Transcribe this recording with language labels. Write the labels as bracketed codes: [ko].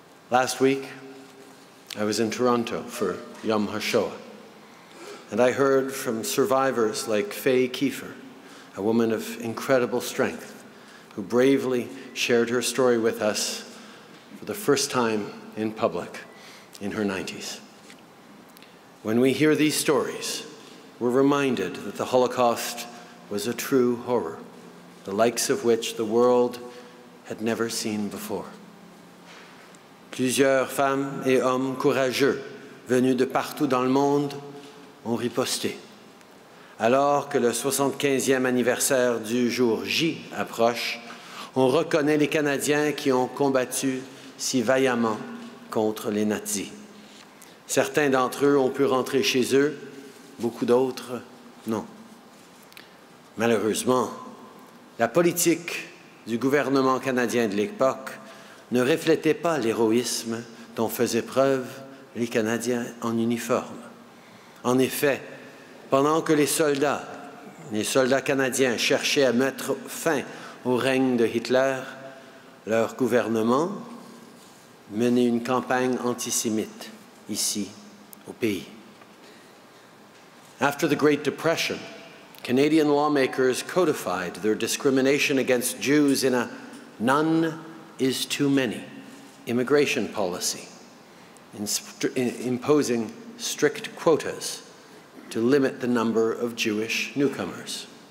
[en] Last week, I was in Toronto for Yom HaShoah, and I heard from survivors like Faye Kiefer, a woman of incredible strength, who bravely shared her story with us for the first time in public in her 90s. When we hear these stories, we're reminded that the Holocaust was a true horror, the likes of which the world had never seen before. [fr] Plusieurs femmes et hommes courageux venus de partout dans le monde ont riposté. Alors que le 75e anniversaire du jour J approche, on reconnaît les Canadiens qui ont combattu si vaillamment contre les nazis. Certains d'entre eux ont pu rentrer chez eux, beaucoup d'autres, non. Malheureusement, la politique du gouvernement canadien de l'époque ne reflétait pas l'héroïsme dont faisaient preuve les Canadiens en uniforme. En effet, pendant que les soldats canadiens cherchaient à mettre fin au règne de Hitler, leur gouvernement menait une campagne antisémite ici, au pays. [en] After the Great Depression, Canadian lawmakers codified their discrimination against Jews in a "none is too many" immigration policy, imposing strict quotas to limit the number of Jewish newcomers.